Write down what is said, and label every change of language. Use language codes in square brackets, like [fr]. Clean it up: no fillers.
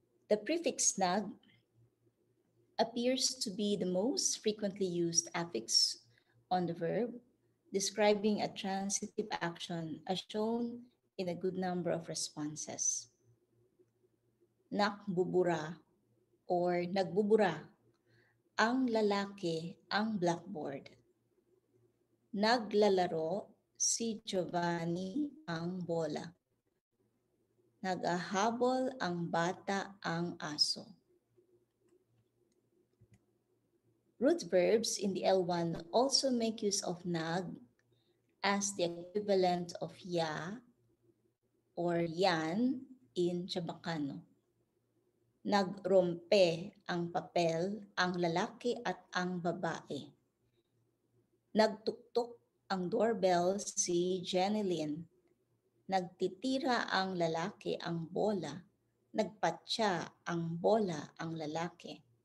[en] The prefix nag appears to be the most frequently used affix on the verb, describing a transitive action as shown in a good number of responses. [tl] Nakbubura or nagbubura, ang lalaki ang blackboard. Naglalaro si Giovanni ang bola. Nagahabol ang bata ang aso. [en] Root verbs in the L1 also make use of nag as the equivalent of ya or yan in Chabacano. [tl] Nagrompe ang papel ang lalaki at ang babae. Nagtuktok ang doorbell si Jenny Lynn. Nagtitira ang lalaki ang bola. Nagpatsa ang bola ang lalaki.